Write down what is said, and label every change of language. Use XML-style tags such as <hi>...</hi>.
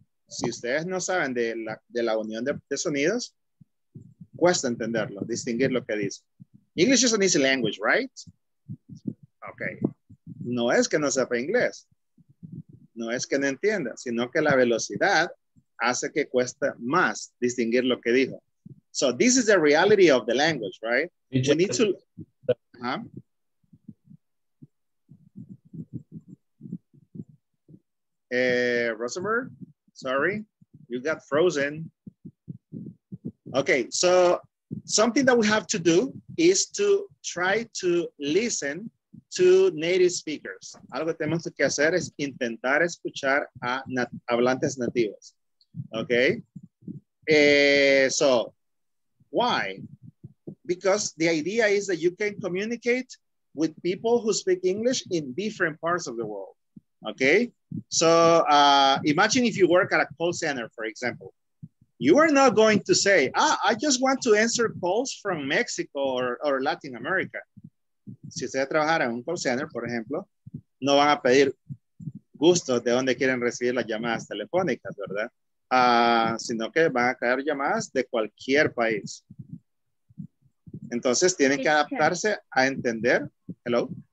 <es>Si ustedes no saben de la unión de sonidos, cuesta entenderlo, distinguir lo que dice.</es> <en>English is an easy language, right? Okay.</en> <es>No es que no sepa inglés. No es que no entienda, sino que la velocidad hace que cuesta más distinguir lo que dijo.</es> <en>So this is the reality of the language, right? We need to... Rosenberg, sorry. You got frozen. Okay, so something that we have to do is to try to listen to native speakers.</en> <es>Algo que tenemos que hacer es intentar escuchar a hablantes nativos.</es> <en>Okay? So, why? Because the idea is that you can communicate with people who speak English in different parts of the world. Okay? So, imagine if you work at a call center, for example. You are not going to say, ah, I just want to answer calls from Mexico or Latin America.</en> <es>Si ustedes trabajaran en un call center, por ejemplo, no van a pedir gustos de dónde quieren recibir las llamadas telefónicas, ¿verdad? Sino que van a caer llamadas de cualquier país. Entonces, tienen que adaptarse a entender.</es> <en>Hello.</en>